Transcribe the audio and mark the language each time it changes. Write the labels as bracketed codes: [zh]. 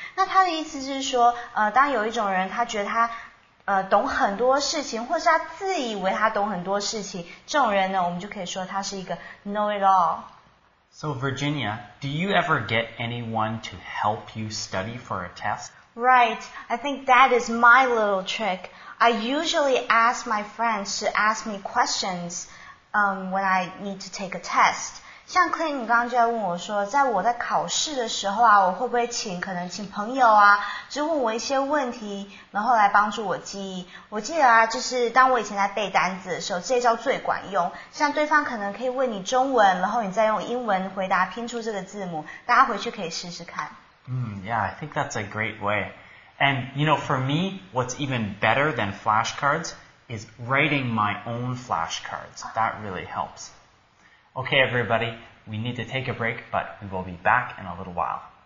[zh] 那它的意思是说，当有一种人他觉得他懂很多事情，或是他自以为他懂很多事情，这种人呢，我们就可以说他是一个 [en] know it all。 So Virginia, do you ever get anyone to help you study for a test? Right, I think that is my little trick. I usually ask my friends to ask me questions, when I need to take a test. [zh] 像 Clinton 刚刚就在问我说，在我在考试的时候啊，我会不会请可能请朋友啊，就问我一些问题，然后来帮助我记忆。我记得啊，就是当我以前在背单字的时候，这招最管用。像对方可能可以问你中文，然后你再用英文回答拼出这个字母，大家回去可以试试看。 [en] Yeah, I think that's a great way. And, you know, for me, what's even better than flashcards is writing my own flashcards. That really helps. Okay, everybody, we need to take a break, but we will be back in a little while.